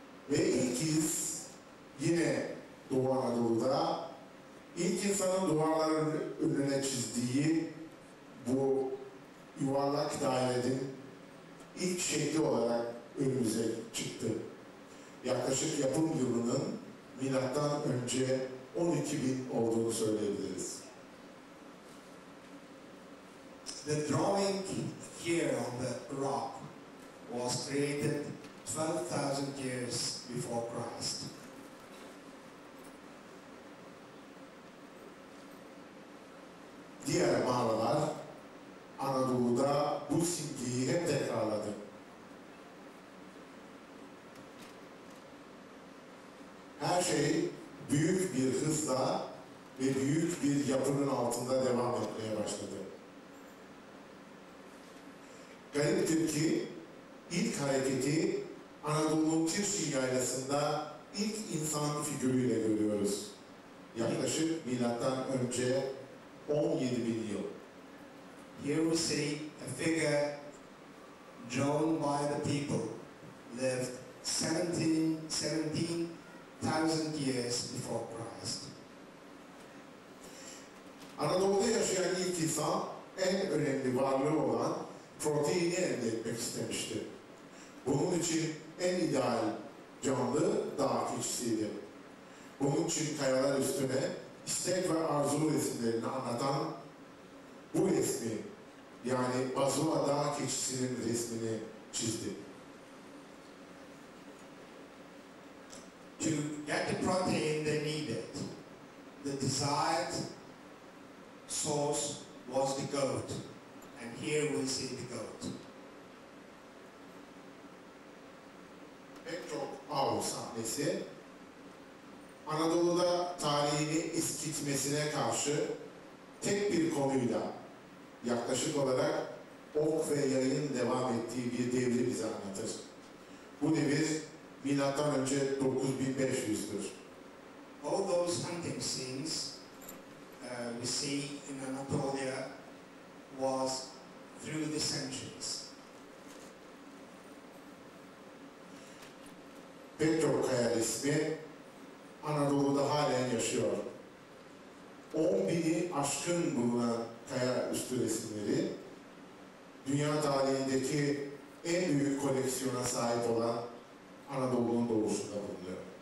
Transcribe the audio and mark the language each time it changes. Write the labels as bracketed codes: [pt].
[tr] Ve ilk kez yine Doğu Anadolu'da ilk insanın duvarların önüne çizdiği bu yuvarlak dairenin ilk şekli olarak önümüze çıktı. Yaklaşık yapım yılının milattan önce 12.000 olduğunu söyleyebiliriz. [en] The drawing here on the rock was created 12,000 years before Christ. [tr] Diğer mağaralar Anadolu'da bu simgeyi hep tekrarladı. Her şey büyük bir hızla ve büyük bir yapının altında devam etmeye başladı. Gariptir ki ilk hareketi Anadolu'nun Tirsi yaylasında ilk insan figürüyle görüyoruz. Yaklaşık milattan önce 17 bin yıl. [en] Here we see a figure drawn by the people, lived 17,000 years before Christ. [tr] Aralarında yaşayan ilk İsa, en önemli varlığı olan proteini elde etmek istemişti. Bunun için en ideal canlı dağ keçisiydi. Bunun için kayalar üstüne istek ve arzu resimlerini anlatan bu resmi, yani Bazuva dağ keçisinin resmini çizdi. [en] To get the protein they needed, the desired source was the goat, and here we see the goat. [tr] En çok av sahnesi, Anadolu'da tarihini eskitmesine karşı tek bir konuyla yaklaşık olarak ok ve yayın devam ettiği bir devri bize anlatır. Bu devir milattan önce 9500'dür. [en] All those hunting scenes we see in Anatolia was through the centuries. [tr] Pek çok kaya resmi Anadolu'da halen yaşıyor. 10.000'i aşkın bulunan kaya üstü resimleri dünya tarihindeki en büyük koleksiyona sahip olan Anadolu'nun doğusunda bulunuyor.